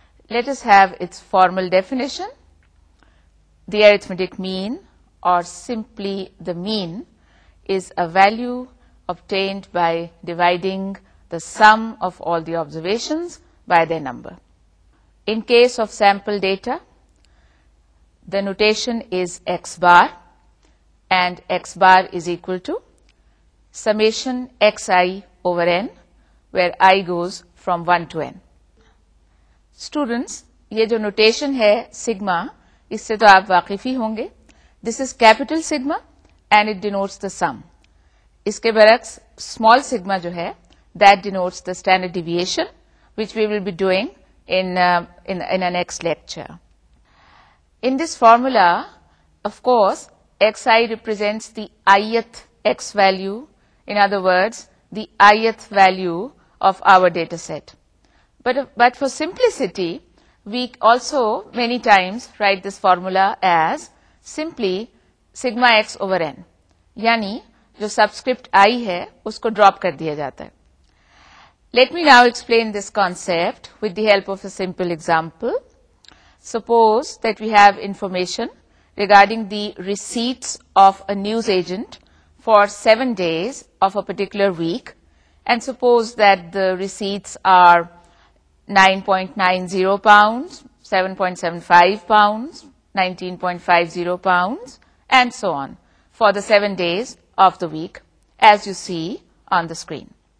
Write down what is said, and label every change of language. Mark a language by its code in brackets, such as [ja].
[en] Let us have its formal definition. The arithmetic mean, or simply the mean, is a value obtained by dividing the sum of all the observations by their number. In case of sample data, the notation is x bar, and x bar is equal to summation xi over n, where I goes from 1 to n. [ur] Students, یہ جو notation ہے sigma, اس سے تو آپ واقف ہی ہوں گے. [en] This is capital sigma and it denotes the sum. [ur] اس کے برعکس [en] small sigma جو ہے, that denotes the standard deviation, which we will be doing in our next lecture. In this formula, of course, xi represents the ith x value, in other words, the ith value of our data set. But for simplicity, we also many times write this formula as simply sigma x over n, [ur] یعنی جو subscript آئی ہے اس کو drop کر دیا جاتا ہے. [en] Let me now explain this concept with the help of a simple example. Suppose that we have information regarding the receipts of a news agent for 7 days of a particular week, and suppose that the receipts are 9.90 pounds, 7.75 pounds, 19.50 pounds, and so on for the 7 days of the week, as you see on the screen.